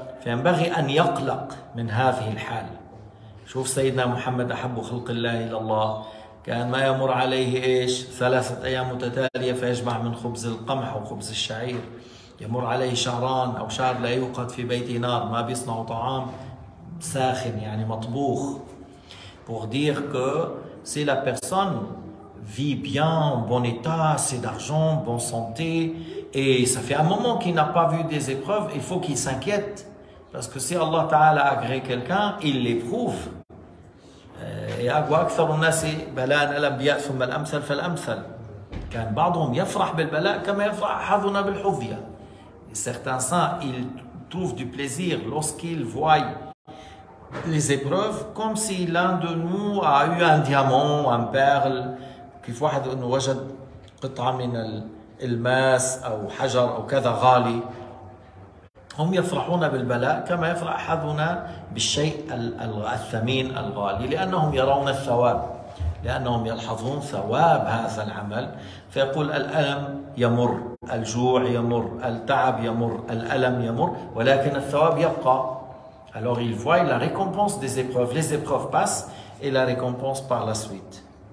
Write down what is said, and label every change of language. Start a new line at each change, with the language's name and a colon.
Arabic: فينبغي أن يقلق من هذه الحال. شوف سيدنا محمد أحب خلق الله إلى الله، كان ما يمر عليه إيش 3 أيام متتالية فيجمع من خبز القمح وخبز الشعير، يمر عليه شهران أو شهر لا يوقد في بيته نار، ما بيصنع طعام ساخن يعني مطبوخ.
French: Pour dire que si la personne vit bien, en bon état, assez d'argent, bonne santé, et ça fait un moment qu'il n'a pas vu des épreuves, il faut qu'il s'inquiète. Parce que si Allah Ta'ala agrée quelqu'un, il l'éprouve.
Arabic: يا أقوى أكثر الناس بلاء الأنبياء ثم الأمثل فالأمثل. كان بعضهم يفرح بالبلاء كما يفرح أحدنا بالحظية.
French: Certains saints ils trouvent du plaisir lorsqu'ils voient les épreuves comme si l'un de nous a eu un diamant un perle.
Arabic: كيف واحد إنه وجد قطعة من الماس أو حجر أو كذا غالي. هم يفرحون بالبلاء كما يفرح أحدنا بالشيء الثمين الغالي، لأنهم يرون الثواب، لأنهم يلحظون ثواب هذا العمل. فيقول الألم يمر، الجوع يمر، التعب يمر، الألم يمر، ولكن الثواب يبقى.
French: Alors il voit la récompense des épreuves. Les épreuves passent et la récompense par la suite.